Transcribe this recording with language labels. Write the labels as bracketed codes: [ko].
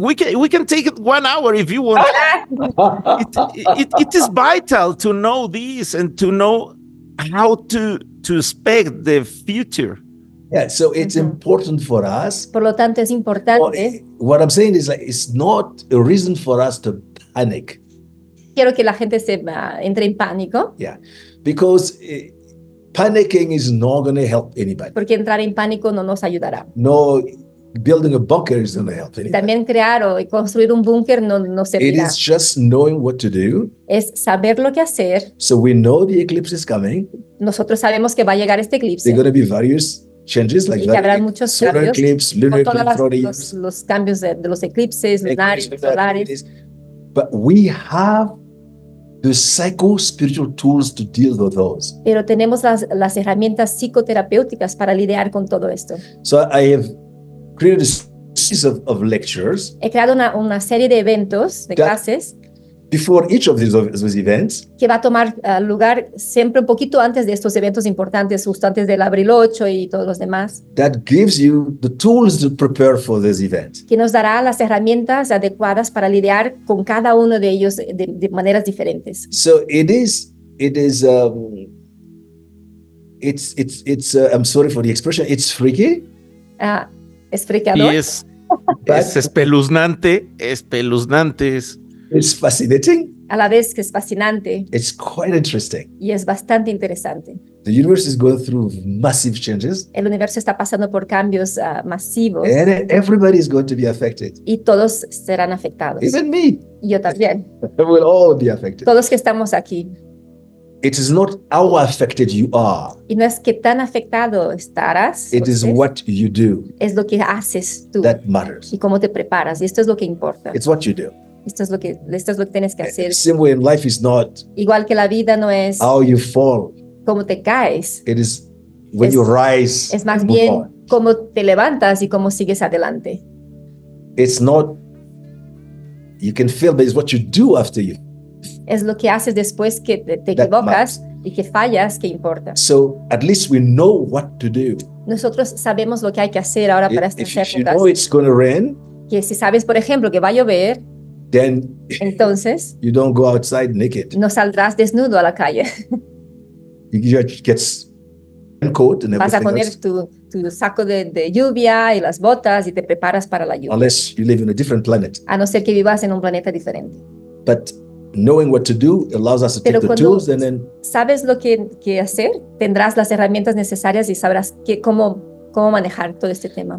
[en] We can take it 1 hour if you want. it is vital to know this and to know how to expect the future. Yeah, so it's important for us. [es] Por lo tanto, es importante. [en] What I'm saying is like it's not a reason for us to panic. [es] Quiero que la gente se entre en pánico. [en] Yeah, because panicking is not going to help anybody. [es] Porque entrar en pánico no nos ayudará. [en] No, building a bunker is going to help anybody. [es] También crear o construir un búnker no servirá. [en] It is just knowing what to do. [es] Es saber lo que hacer. [en] So we know the eclipse is coming. [es] Nosotros sabemos que va a llegar este eclipse. [en] There are going to be various changes like that. [es] Y habrá muchos cambios. [en] Solar eclipse, lunar eclipse, [es] los cambios de los eclipses, lunares, solares. [en] But we have the psycho-spiritual tools to deal with those. [es] Pero tenemos las herramientas psicoterapéuticas para lidiar con todo esto. [en] So I have created a series of lectures. [es] He creado una serie de eventos, de clases. [en] Before each of those events. [es] Que va a tomar lugar siempre un poquito antes de estos eventos importantes, justo antes del abril 8 y todos los demás. [en] That gives you the tools to prepare for this event. [es] Que nos dará las herramientas adecuadas para lidiar con cada uno de ellos de maneras diferentes. [en] So it is it's I'm sorry for the expression, it's freaky. [es] Es freakador. Y es espeluznante. [en] It's fascinating. [es] A la vez que es fascinante. [en] It's quite interesting. [es] Y es bastante interesante. [en] The universe is going through massive changes. [es] El universo está pasando por cambios masivos. [en] And everybody is going to be affected. [es] Y todos serán afectados. [en] Even me. [es] Yo también. [en] We'll all be affected. [es] Todos que estamos aquí. [en] It is not how affected you are. [es] Y no es que tan afectado estarás. [en] It is what you do. [es] Es lo que haces tú. [en] That matters. [es] Y cómo te preparas. Y esto es lo que importa. [en] It's what you do. [es] Esto es lo que tienes que hacer. [en] Same way in life is not [es] igual que la vida no es [en] how you fall. [es] Cómo te caes. [en] It is when you rise. [es] Es más bien cómo te levantas y cómo sigues adelante. [en] It's not you can fail, but it's what you do after you. [es] Es lo que haces después que te equivocas y que fallas que importa. [en] So at least we know what to do. [es] Nosotros sabemos lo que hay que hacer ahora para estas épocas. [en] If you know it's going to rain. [es] Que si sabes, por ejemplo, que va a llover. [en] Then [es] entonces, [en] you don't go outside naked. [es] No saldrás desnudo a la calle. [en] You get a raincoat and everything else. [es] Vas a poner tu saco de lluvia y las botas y te preparas para la lluvia. [en] Unless you live in a different planet. [es] A no ser que vivas en un planeta diferente. [en] But knowing what to do allows us to [es] pero [en] take the tools and then. [es] Sabes lo que hacer, tendrás las herramientas necesarias y sabrás cómo manejar todo este tema.